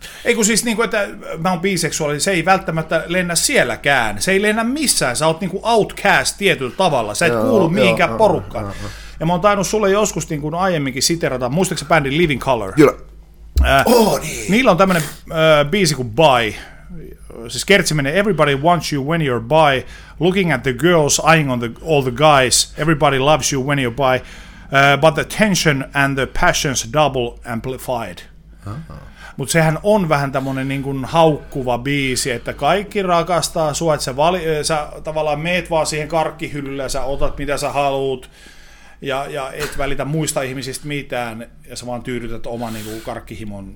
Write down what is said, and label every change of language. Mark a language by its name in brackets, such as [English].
[Finnish] Ei kun siis, niin kuin, että mä oon biseksuaali, se ei välttämättä lennä sielläkään. Se ei lennä missään. Sä oot niin kuin outcast tietyllä tavalla. Sä et kuulu mihinkään porukkaan. Ja mä oon tainnut sulle joskus niin kuin aiemminkin siterata, muistatko sä bändin Living Color? Kyllä. Niin. Niillä on tämmönen biisi kuin Bye. Siis kertsi menee, [English] everybody wants you when you're bye. Looking at the girls, eyeing on the, all the guys. Everybody loves you when you're bye. But the tension and the passions double amplified. [Finnish] Mutta sehän on vähän tämmöinen niin kuin haukkuva biisi, että kaikki rakastaa sua, että sä tavallaan meet vaan siihen karkkihyllylle ja sä otat mitä sä haluut ja et välitä muista ihmisistä mitään ja sä vaan tyydytät oman niin kuin karkkihimon.